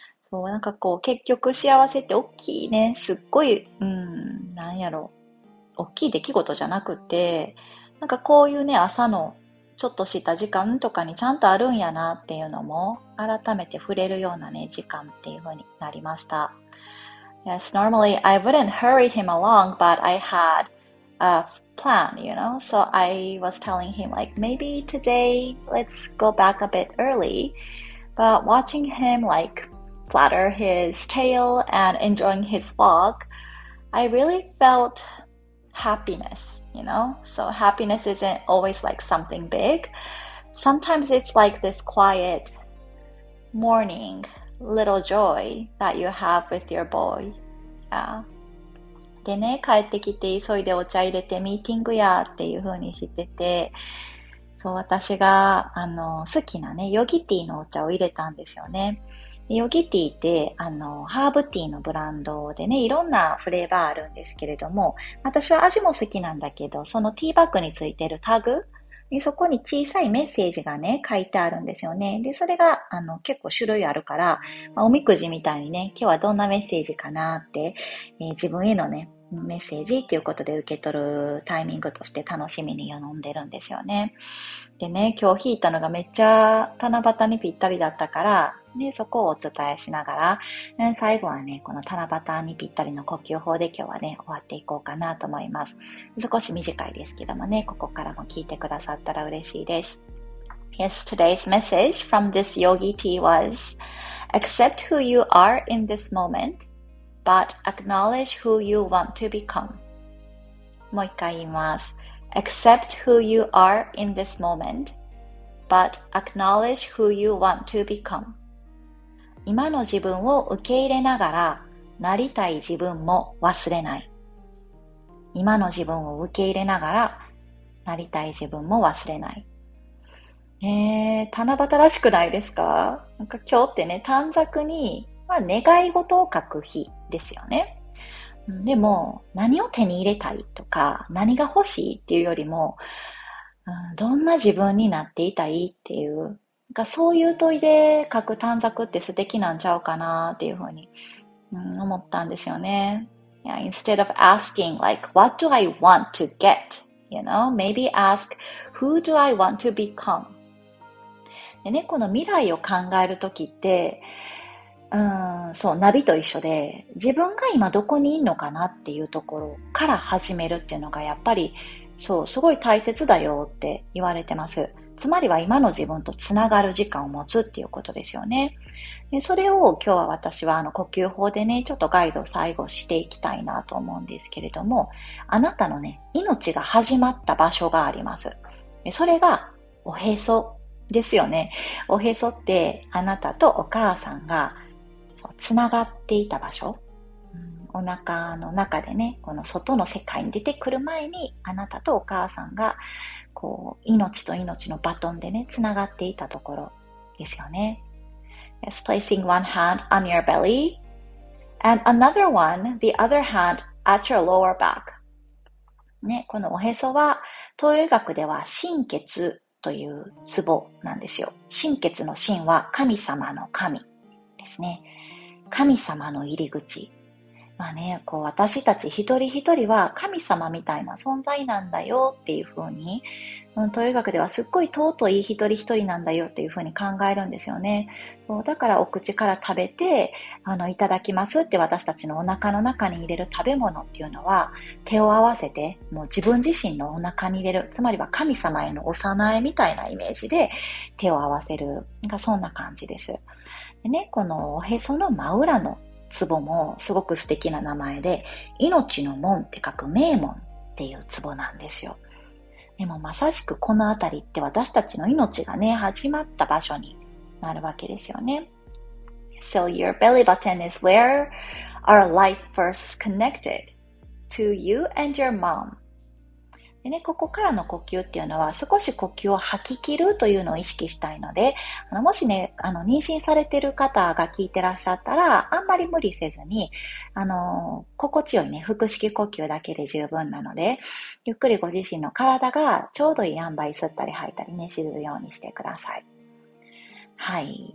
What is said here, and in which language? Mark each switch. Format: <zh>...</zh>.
<ja>そう、なんかこう、結局幸せって大きいね、すっごい、なんやろ、大きい出来事じゃなくて、なんかこういうね、朝のちょっとした時間とかにちゃんとあるんやなっていうのも、改めて触れるようなね、時間っていう風になりました。</ja> <en>Yes, normally I wouldn't hurry him along, but I had a plan, you know? So I was telling him like, maybe today let's go back a bit early. But watching him like, flutter his tail and enjoying his walk, I really felt... happiness, you know? So happiness isn't always like something big. Sometimes it's like this quiet morning, little joy that you have with your boy. Yeah.</en> <ja>でね、帰ってきて急いでお茶入れてミーティングやっていう風にしてて、そう、私が好きなね、ヨギティのお茶を入れたんですよね。ヨギティってハーブティーのブランドでね、いろんなフレーバーあるんですけれども、私は味も好きなんだけど、そのティーバッグについてるタグに、そこに小さいメッセージがね書いてあるんですよね。で、それが結構種類あるから、まあ、おみくじみたいにね、今日はどんなメッセージかなって、自分へのねメッセージっていうことで受け取るタイミングとして楽しみに飲んでるんですよね。でね、今日引いたのがめっちゃ七夕にぴったりだったからね、そこをお伝えしながら、最後はね、この七夕にぴったりの呼吸法で今日はね、終わっていこうかなと思います。少し短いですけどもね、ここからも聞いてくださったら嬉しいです。</ja> <en>Yes, today's message from this yogi tea was, accept who you are in this moment, but acknowledge who you want to become.</en> <ja>もう一回言います。</ja> <en>Accept who you are in this moment, but acknowledge who you want to become.</en> <ja>今の自分を受け入れながら、なりたい自分も忘れない。今の自分を受け入れながら、なりたい自分も忘れない。七夕らしくないですか？なんか今日ってね、短冊に、まあ、願い事を書く日ですよね。でも、何を手に入れたいとか、何が欲しいっていうよりも、どんな自分になっていたいっていう、がそういう問いで書く短冊って素敵なんちゃうかなっていうふうに、思ったんですよね。</ja> <en>Yeah, instead of asking like, what do I want to get? You know, maybe ask, who do I want to become?</en> <ja>猫の未来を考えるときって、そう、ナビと一緒で、自分が今どこにいるのかなっていうところから始めるっていうのが、やっぱり、そう、すごい大切だよって言われてます。つまりは今の自分とつながる時間を持つっていうことですよね。で、それを今日は私は呼吸法でね、ちょっとガイドを最後していきたいなと思うんですけれども、あなたのね、命が始まった場所があります。で、それがおへそですよね。おへそってあなたとお母さんがつながっていた場所。お腹の中でね、この外の世界に出てくる前に、あなたとお母さんが、こう、命と命のバトンでね、つながっていたところですよね。</ja> <en>Yes, placing one hand on your belly and another one, the other hand at your lower back.</en> <ja>ね、このおへそは、東洋医学では心血というツボなんですよ。心血の心は神様の神ですね。神様の入り口。まあね、こう私たち一人一人は神様みたいな存在なんだよっていうふうに、東洋医学ではすっごい尊い一人一人なんだよっていうふうに考えるんですよね。そう、だからお口から食べて、いただきますって私たちのお腹の中に入れる食べ物っていうのは、手を合わせて、もう自分自身のお腹に入れる。つまりは神様へのお供えみたいなイメージで手を合わせる。がそんな感じです。でね、このおへその真裏のツボもすごく素敵な名前で、命の門って書く命門っていうツボなんですよ。でもまさしくこのあたりって私たちの命がね、始まった場所になるわけですよね。</ja> <en>So your belly button is where our life first connected to you and your mom.</en> <ja>でね、ここからの呼吸っていうのは少し呼吸を吐き切るというのを意識したいので、もしね、妊娠されてる方が聞いてらっしゃったら、あんまり無理せずに、心地よいね、腹式呼吸だけで十分なので、ゆっくりご自身の体がちょうどいい塩梅吸ったり吐いたりね、沈むようにしてください。はい。</ja>